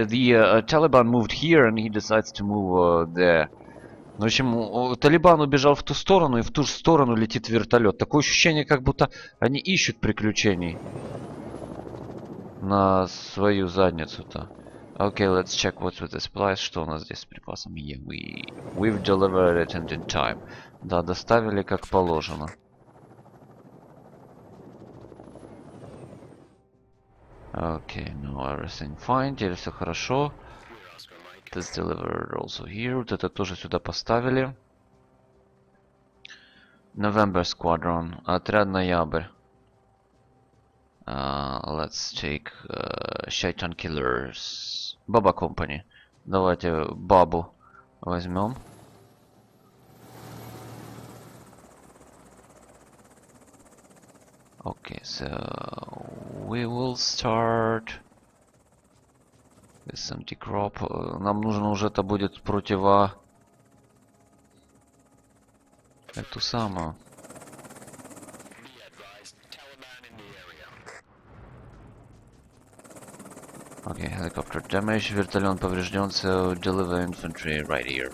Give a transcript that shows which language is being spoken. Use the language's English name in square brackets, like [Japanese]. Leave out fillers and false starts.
[English] The Taliban moved here, and he decides to move there. [Russian] В общем, Талибан убежал в ту сторону, и в ту же сторону летит вертолет. Такое ощущение, как будто они ищут приключений на свою задницу-то. [English] Okay, let's check what's with the supplies. [Russian] Что у нас здесь с припасами? [English] Yeah, we've delivered it and in time. [Russian] Да, доставили как положено. [English] Okay, no, everything fine. [Russian] Теперь все хорошо. [English] This delivered also here. [Russian] Вот это тоже сюда поставили. [English] November squadron. [Russian] Отряд ноябрь. [English] Let's take Shaitan Killers. [Russian] Baba Company. Давайте Бабу возьмем. [English] Okay, so we will start with some decrop. [Russian] Нам нужно уже это будет противо эту самую. [English] Okay, helicopter damage, [Russian] вертолет поврежден, [English] so deliver infantry right here.